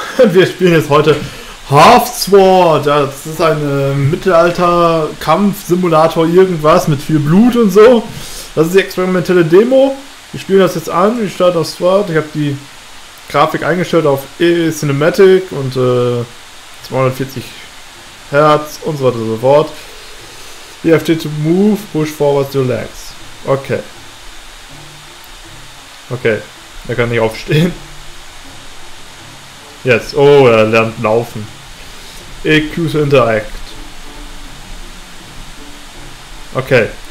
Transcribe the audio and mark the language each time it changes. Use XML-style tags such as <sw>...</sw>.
<de>Wir spielen jetzt heute Half-Sword. Ja, das ist ein Mittelalter-Kampf-Simulator irgendwas mit viel Blut und so. Das ist die experimentelle Demo. Wir spielen das jetzt an. Ich starte auf Sword. Ich habe die Grafik eingestellt auf E-Cinematic und 240 Hertz und so weiter und so fort.</de> <en>You have to move, push forward your legs. Okay.</en> <de>Okay, er kann nicht aufstehen. Jetzt. Yes. Oh, er lernt laufen.</de> <en>EQ to interact. Okay.</en>